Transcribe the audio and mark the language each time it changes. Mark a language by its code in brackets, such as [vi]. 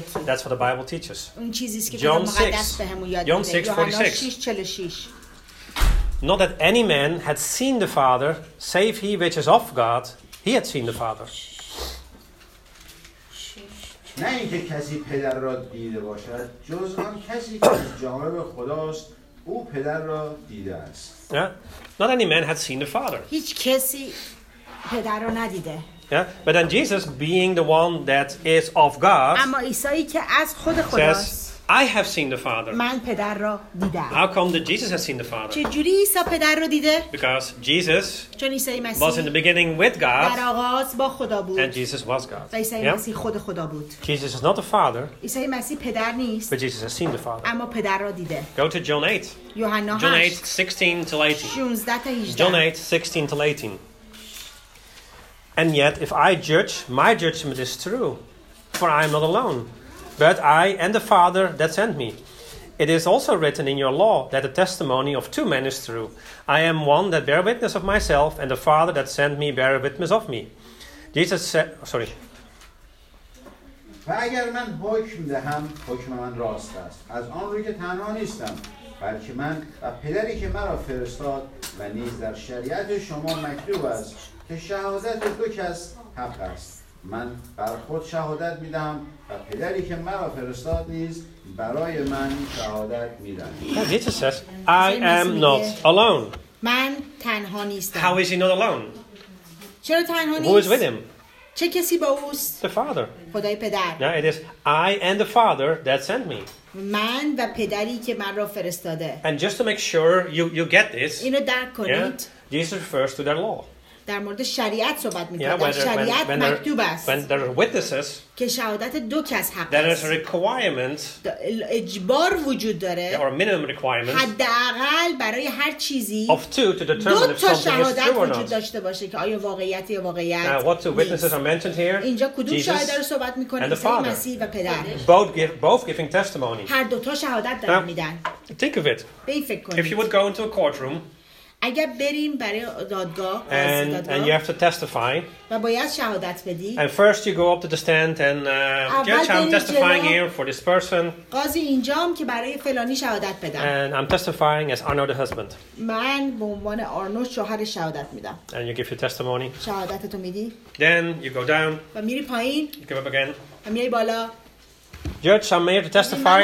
[en] That's what the Bible teaches. John 6:46. Not that any man had seen the Father, save he which is of God, he had seen the Father. [fa] نه اینکه کسی پدر را دیده باشد، جز آن کسی که از جانب خداست، او پدر را دیده است. [en] Yeah. Not any man had seen the Father. [fa] هیچ کسی پدر را ندیده. [en] Yeah. But then Jesus, being the one that is of God, [fa] اما عیسی که از خود خداست. [en] I have seen the Father. [fa] من پدر را دیدم. [en] How come that Jesus has seen the Father? [fa] چه جوری عیسی پدر را دیده؟ [en] Because Jesus [fa] چون عیسی مسیح [en] was in the beginning with God. [fa] در آغاز با خدا بود. [en] And Jesus was God. [fa] و عیسی مسیح خود خدا بود. [en] Jesus is not the Father. [fa] عیسی مسیح پدر نیست. [en] But Jesus has seen the Father. [fa] اما پدر را دیده. [en] Go to John 8. [fa] یوحنا 8. [en] John 8, 16 to 18. [fa] 16 تا 18. [en] John 8, 16 to 18. And yet, if I judge, my judgment is true, for I am not alone. But I and the Father that sent me. It is also written in your law that the testimony of two men is true. I am one that bear witness of myself, and the Father that sent me bear witness of me. Jesus said, sorry. [fa] و اگر من حکم دهم، حکم من راست است. از آن روی که تنها نیستم، بلکه من و پدری که مرا فرستاد و نیز در شریعت شما مکتوب است که شهادت دو کس حق است. من بر خود شهادت میدم و پدری که مرا فرستاد نیز برای من شهادت میدهد. [en] Jesus says, I am not alone. [fa] من تنها نیستم. [en] How is he not alone? [fa] چرا تنها نیست؟ [en] Who is with him? [fa] چه کسی با اوست؟ [en] The Father. [fa] خدای پدر. [en] No, it is I and the Father that sent me. [fa] من و پدری که مرا فرستاده. [en] And just to make sure you get this. [fa] اینو درک کنید. [en] Jesus refers to their law. [fa] در مورد شریعت صحبت می کنیم. شریعت مکتوب است. [en] When there are witnesses, [fa] که شهادت دو کس حق است. [en] There is a requirement. [fa] اجبار وجود داره. [en] There are minimum requirements. [fa] حداقل برای هر چیزی. [en] Of two to determine if something is true or not. [fa] دو تا شهادت وجود داشته باشه که آیا واقعیت یا واقعیت. [en] Now what two witnesses are mentioned here? [fa] اینجا کدوم شهادت رو صحبت می کنیم؟ عیسی مسیح و پدر. [en] Both giving testimony. [fa] هر دو تا شهادت دارن میدن. [en] Think of it. If you would go into a courtroom. [fa] اگر بریم برای دادگاه [en] and you have to testify [fa] و باید شهادت بدی [en] and first you go up to the stand and judge I'm testifying here for this person [fa] قاضی اینجام که برای فلانی شهادت بدم [en] and I'm testifying as Arnold the husband [fa] من به عنوان آرنولد شوهر شهادت میدم [en] and you give your testimony [fa] شهادتتو میدی [en] then you go down [fa] و میری پایین [en] you come up again [fa] و میای بالا [en] Judge, I'm here to testify